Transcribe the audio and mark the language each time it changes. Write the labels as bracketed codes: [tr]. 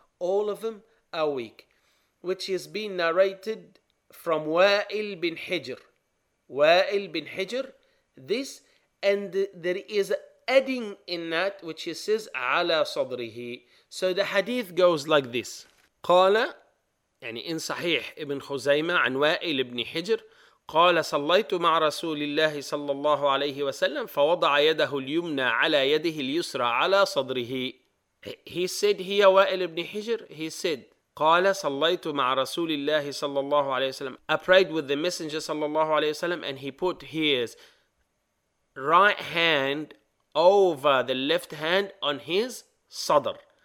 [en] All of them are weak. Which is been narrated from Wa'il bin Hijr. Wa'il bin Hijr, this, and there is adding in that, which he says, ala sadrihi. So the hadith goes like this. Qala, yani in Sahih ibn Khuzaymah, an Wa'il ibn Hijr, [ar] قال صليت مع رسول الله صلى الله عليه وسلم فوضع يده اليمنى على يده اليسرى على صدره. [en] He said here, Wa'il ibn Hijr, he said [ar] قال صليت مع رسول الله صلى الله عليه وسلم, [en] I prayed with the messenger صلى الله عليه وسلم, and he put his right hand over the left hand on his sadr.